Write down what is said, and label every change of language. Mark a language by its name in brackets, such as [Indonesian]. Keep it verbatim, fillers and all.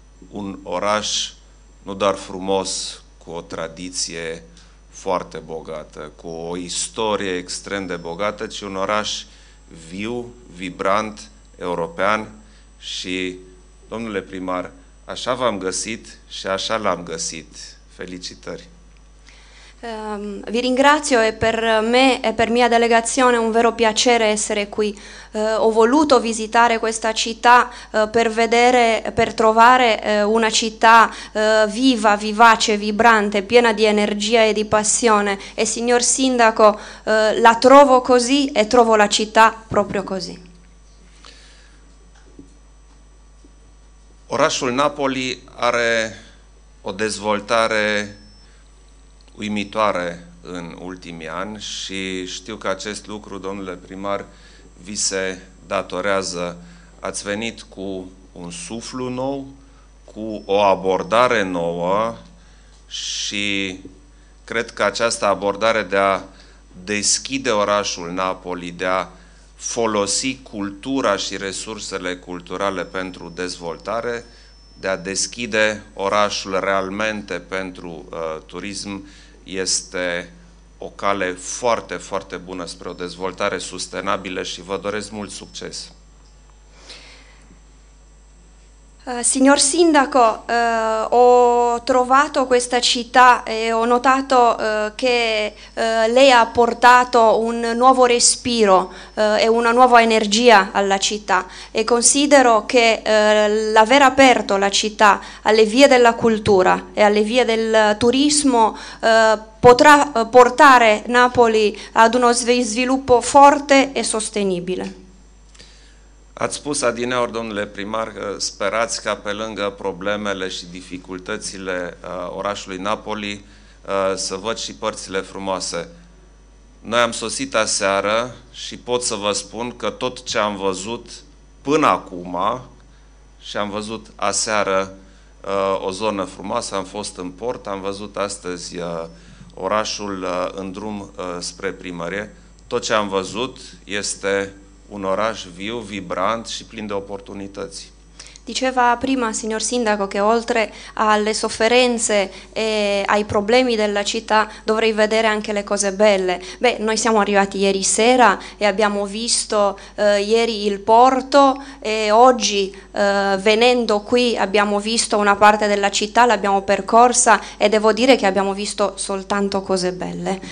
[Romanian] un oraș nu doar frumos, cu o tradiție foarte bogată, cu o istorie extrem de bogată, ci un oraș viu, vibrant, european și, domnule primar, așa v-am găsit și așa l-am găsit. Felicitări! [Italian] Um, vi ringrazio, è per me e per mia delegazione un vero piacere essere qui. Uh, ho voluto visitare questa città uh, per vedere, per trovare uh, una città uh, viva, vivace, vibrante, piena di energia e di passione. E signor Sindaco, uh, la trovo così e trovo la città proprio così. [Romanian] Orașul Napoli are o dezvoltare uimitoare în ultimii ani și știu că acest lucru, domnule primar, vi se datorează. Ați venit cu un suflu nou, cu o abordare nouă și cred că această abordare de a deschide orașul Napoli, de a folosi cultura și resursele culturale pentru dezvoltare, de a deschide orașul realmente pentru uh, turism este o cale foarte, foarte bună spre o dezvoltare sustenabilă și vă doresc mult succes. [Italian] Uh, signor Sindaco, uh, ho trovato questa città e ho notato uh, che uh, lei ha portato un nuovo respiro uh, e una nuova energia alla città e considero che uh, l'aver aperto la città alle vie della cultura e alle vie del turismo uh, potrà uh, portare Napoli ad uno sviluppo forte e sostenibile. [Romanian] Ați spus adineauri, domnule primar, că sperați ca pe lângă problemele și dificultățile uh, orașului Napoli uh, să văd și părțile frumoase. Noi am sosit aseară și pot să vă spun că tot ce am văzut până acum și am văzut aseară uh, o zonă frumoasă, am fost în port, am văzut astăzi uh, orașul uh, în drum uh, spre primărie, tot ce am văzut este un oraș viu, vibrant și plin de oportunități. [Italian] Diceva prima, signor Sindaco, che oltre alle sofferenze e ai problemi della città dovrei vedere anche le cose belle. Beh, noi siamo arrivati ieri sera e abbiamo visto eh, ieri il porto e oggi eh, venendo qui abbiamo visto una parte della città, l'abbiamo percorsa e devo dire che abbiamo visto soltanto cose belle.